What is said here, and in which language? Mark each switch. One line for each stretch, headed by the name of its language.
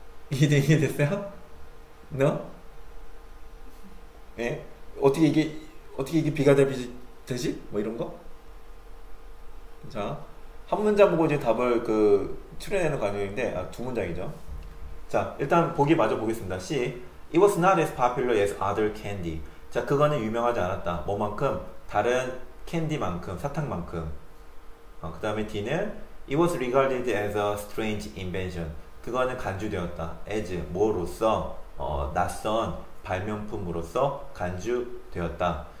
Korean: 이해 됐어요? No? 예? 어떻게 이게 비가 되지? 뭐 이런 거? 자, 한 문장 보고 이제 답을 출연하는 과정인데, 아, 두 문장이죠. 자, 일단 보기 마저 보겠습니다. C.
English: It was not as popular as other candy.
Korean: 자, 그거는 유명하지 않았다. 뭐만큼? 다른 캔디만큼, 사탕만큼. 그 다음에 D는
English: It was regarded as a strange invention.
Korean: 그거는 간주되었다. As, 뭐로써? 낯선 발명품으로써 간주되었다.